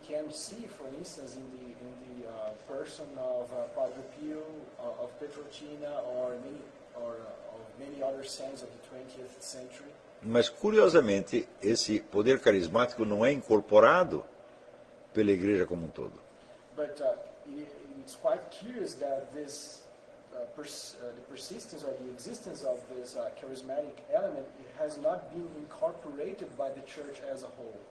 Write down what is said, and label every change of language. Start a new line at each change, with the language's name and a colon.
English: can see, for instance, in the person of Padre Pio, of Petrocina, or many other saints of the 20th century.
Portuguese: Mas, curiosamente, esse poder carismático não é incorporado pela igreja como um todo.
English: But it's quite curious that this the persistence or the existence of this charismatic element has not been incorporated by the church as a whole.